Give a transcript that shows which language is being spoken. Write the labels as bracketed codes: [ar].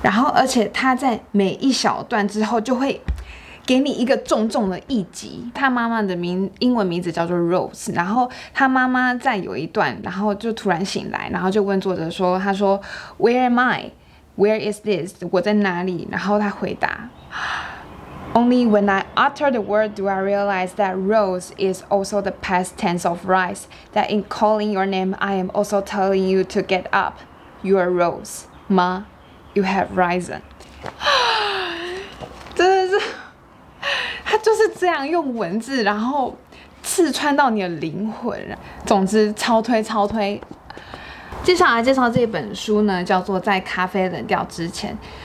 [zh] 然后而且他在每一小段之后就会给你一个重重的一击。他妈妈的英文名字叫做 Rose， 然后他妈妈在有一段然后就突然醒来，然后就问作者说，他说 [en] Where am I? Where is this? [zh] 我在哪里？然后他回答 [en] Only when I utter the word do I realize that Rose is also the past tense of rise, that in calling your name I am also telling you to get up. You are Rose. Ma, you have risen. [zh] 真的是他就是这样用文字然后刺穿到你的灵魂。总之超推超推。接下来介绍这本书呢，叫做在咖啡冷掉之前。